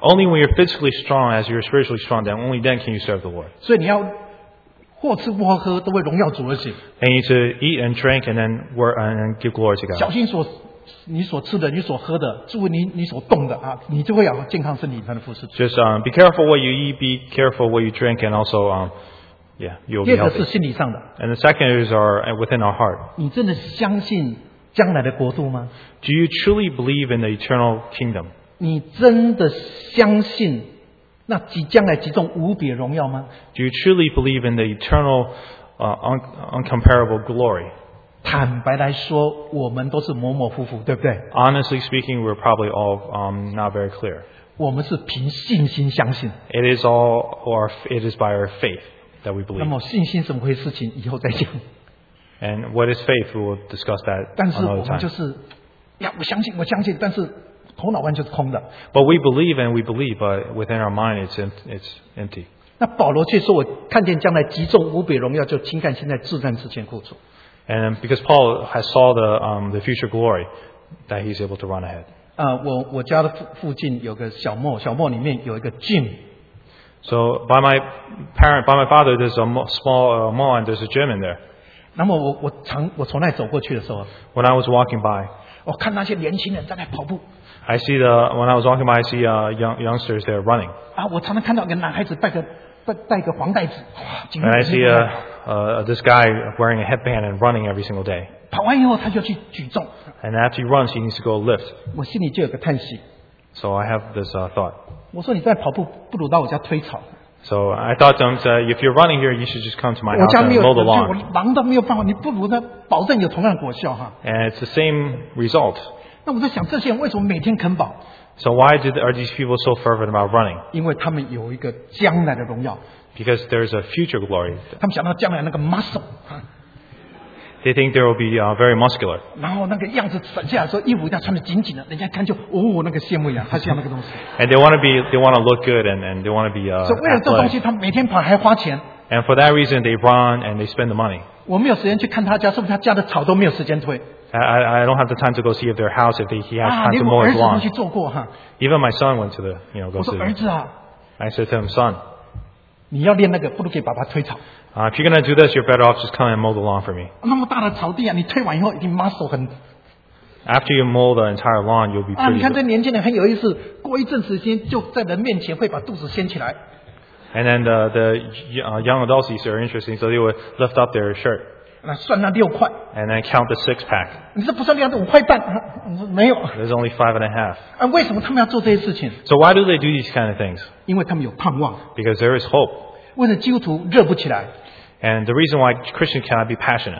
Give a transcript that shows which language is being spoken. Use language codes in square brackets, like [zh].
[en] Only when you're physically strong, as you're spiritually strong, then only then can you serve the Lord. [zh] 所以你要或吃或喝都为荣耀主而行. [en] And you need to eat and drink and then work and give glory to God. [zh] 小心所 你所吃的,你所喝的,注意你所动的,你就会有健康身体才能服侍主。 [en] Just be careful what you eat, be careful what you drink, and also, you'll be healthy. [zh] 这个是心理上的。 [en] And the second is within our heart. [zh] 你真的相信将来的国度吗? [en] Do you truly believe in the eternal kingdom? [zh] 你真的相信那即将来极重无比的荣耀吗? [en] Do you truly believe in the eternal, uncomparable glory? [zh] 坦白来说,我们都是模模糊糊,对不对? [en] Honestly speaking, we're probably all not very clear. [zh] 我们是凭信心相信。 [en] It is by our faith that we believe. [zh] 那么信心怎么回事情,以后再讲。 [en] And what is faith? We will discuss that another time. [zh] 但是我们就是,呀,我相信,我相信,但是头脑完全是空的。 [en] But we believe and we believe, but within our mind it's empty. [zh] 那保罗却说,我看见将来极重无比荣耀,就轻看现在自战之前苦楚。 [en] And because Paul has saw the future glory that he's able to run ahead. [zh] 我家的附近有个小mall,小mall里面有一个 gym. [en] So by my father there's a small mall and there's a gym in there. [zh] 那么我从那走过去的时候, [en] when I was walking by, [zh] 我看那些年轻人在那跑步, [en] I see youngsters there running. [zh] 我常常看到一个男孩子带个黄袋子, 哇, [en] and I see this guy wearing a headband and running every single day. [zh] 跑完以后他就去举重, [en] and after he runs, he needs to go lift. [zh] 我心里就有个叹息, [en] so I have this thought. [zh] 我说你在跑步, 不如到我家推草, [en] So I thought, don't, if you're running here, you should just come to my house and mow the lawn. [zh] 我忙到没有办法, 你不如呢, 保证有同样果效, [en] and it's the same result. [zh] 那我在想, [en] so why did, are these people so fervent about running? [zh] 因为他们有一个将来的荣耀, [en] because there's a future glory. [zh] 他们想到将来那个 muscle, [en] they think they will be very muscular. [zh] 然后那个样子省下来说,衣服一定要穿得紧紧的, 人家看就, 哦,那个羡慕呀, 他喜欢那个东西。 [en] And they want to be, they want to look good and they want to be [zh] so 为了这东西, 他每天跑还花钱。 [en] And for that reason, they run and they spend the money. [zh] 我没有时间去看他家, 是不是他家的草都没有时间推? [en] I don't have the time to go see if their house, if they, he has time to mow his lawn. Even my son went to the, you know, go to the. I said to him, son, [zh] 你要练那个, [en] If you're going to do this, you're better off just come and mow the lawn for me. [zh] 那么大的草地啊, 你推完以后已经 muscle 很... [en] After you mow the entire lawn, you'll be pretty. [zh] 你看这年轻人很有意思, 过一阵时间就在人面前会把肚子掀起来。 [en] And then the young adults, these are interesting, so they would lift up their shirt. [zh] 那算那六块, [en] and then count the six pack. [zh] 你这不算六块, 五块半, 没有, [en] there's only five and a half. [zh] 啊, 为什么他们要做这些事情? [en] So why do they do these kind of things? [zh] 因为他们有盼望, [en] because there is hope. [zh] 为了基督徒热不起来, [en] and the reason why Christians cannot be passionate,